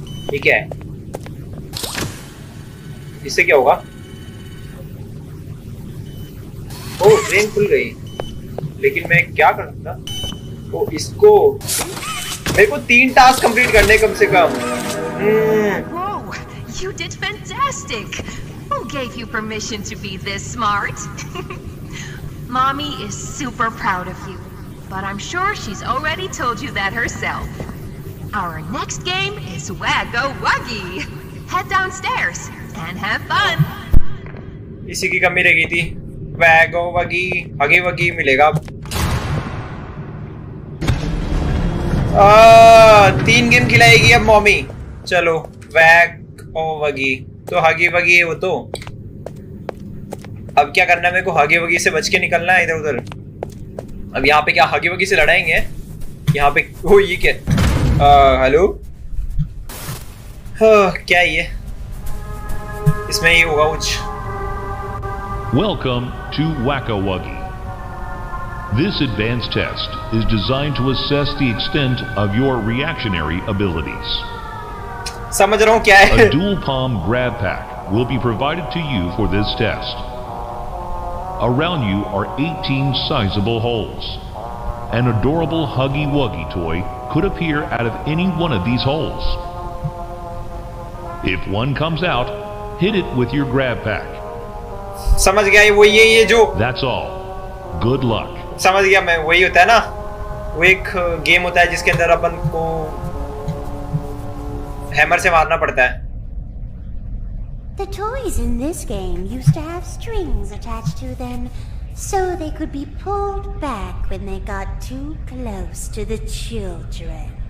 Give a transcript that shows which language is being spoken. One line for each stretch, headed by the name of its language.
Hindi: ठीक है इससे क्या होगा, ओ ट्रेन खुल गई, लेकिन मैं क्या कर सकता, ओ इसको मेरे को तीन टास्क कंप्लीट करने कम से कम।
English: You did fantastic. Who gave you permission to be this smart? Mommy is super proud of you, but I'm sure she's already told you that herself. Our next game is Wagga Wuggy. Head downstairs and have fun.
Hindi: इसी की कमी रह गई थी, Wagga Wuggy, Huggy Wuggy मिलेगा। तीन game खिलाएगी अब mommy. चलो Wagga Wuggy तो Huggy Wuggy है वो तो। अब क्या करना है मेरे को, हगी वगी से बच के निकलना है इधर उधर। अब यहाँ पे क्या हगी वगी से लड़ाएंगे यहाँ पे? ओ ये क्या, हेलो क्या ये, इसमें ही होगा कुछ।
English: Welcome to Wacka Wuggy. This advanced test is designed to assess the extent of your reactionary abilities.
Hindi: समझ रहा हूँ क्या है।
English: A dual palm grab pack will be provided to you for this test. Around you are 18 sizable holes. An adorable Huggy Wuggy toy could appear out of any one of these holes. If one comes out, hit it with your grab pack.
Hindi: समझ गया, वो ये जो,
English: that's all. Good luck.
Hindi: समझ गया मैं, वही होता है ना, वो एक गेम होता है जिसके अंदर अपन को हैमर से मारना पड़ता है।
English: The toys in this game used to have strings attached to them so they could be pulled back when they got too close to the children.